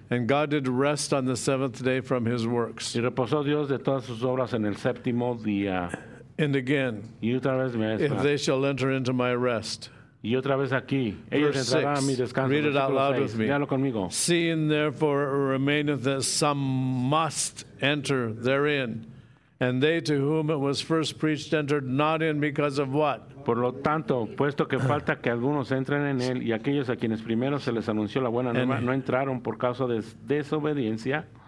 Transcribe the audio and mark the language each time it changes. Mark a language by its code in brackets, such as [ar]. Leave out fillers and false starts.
[en] And God did rest on the seventh day from his works. [es] Y reposó Dios de todas sus obras en el séptimo día. [en] And again, [es] y otra vez me [en] if they shall enter into my rest. [es] Y otra vez aquí, [en] verse 6, [es] a mi descanso, [en] read it out loud [es] seis. [en] With me. Seeing therefore it remaineth that some must enter therein, and they to whom it was first preached entered not in because of what? [es] Por lo tanto, puesto que falta que algunos entren en él, y aquellos a quienes primero se les anunció la buena nueva no entraron por causa de desobediencia.